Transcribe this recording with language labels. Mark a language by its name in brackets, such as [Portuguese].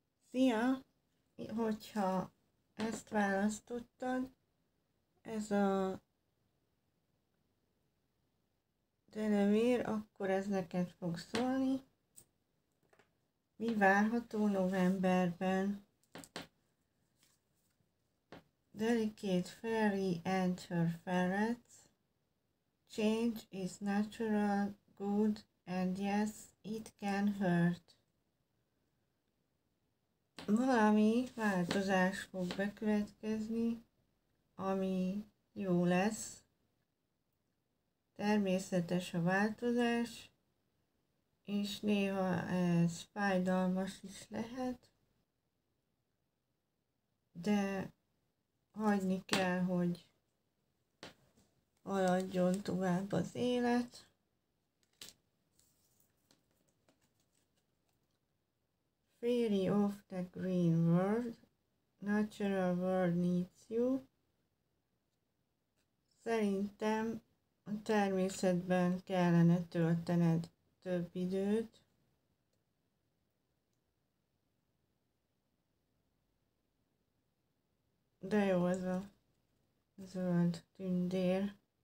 [Hungarian] Szia! Hogyha ezt választottad, ez a denevér, akkor ez neked fog szólni. Mi várható novemberben? [English] Delicate fairy and her ferrets. Change is natural, good, and yes, it can hurt. [Hungarian] Valami változás fog bekövetkezni, ami jó lesz. Természetes a változás, és néha ez fájdalmas is lehet, de hagyni kell, hogy haladjon tovább az élet. [English] Freely of the green world, natural world needs you. [Hungarian] Szerintem a természetben kellene töltened több időt. De jó az a zöld tündér.